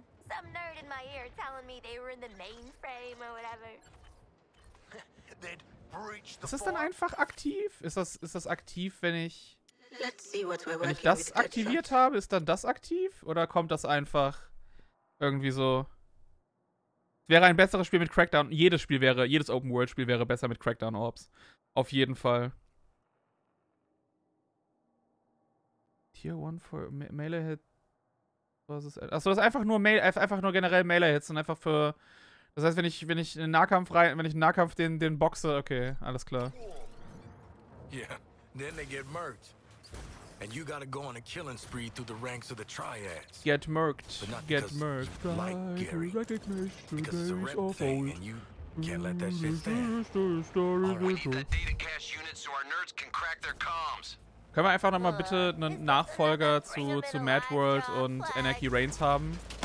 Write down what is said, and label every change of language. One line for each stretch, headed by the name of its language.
English: Some nerd in my ear telling me they were in the mainframe or whatever.
German: Ist das dann einfach aktiv? Ist das aktiv, wenn ich das aktiviert habe? Ist dann das aktiv? Oder kommt das einfach irgendwie so? Wäre ein besseres Spiel mit Crackdown. Jedes Open-World-Spiel wäre besser mit Crackdown-Orbs. Auf jeden Fall.
English: Tier 1 for Melee-Hit.
German: Was ist das? Achso, das ist einfach nur generell Melee-Hits und einfach für. Das heißt, wenn ich einen Nahkampf den boxe, okay, alles klar.
English: Yeah, then they get murked. And you gotta go on a killing spree through the ranks of the triads. Get murked. Get murked. Like Gary. Recognition days of old. And you can't let that shit stand. Alright, we need that data cache unit so our nerds can crack their comms.
German: Können wir einfach nochmal bitte einen Nachfolger zu Mad World und Anarchy Reigns haben?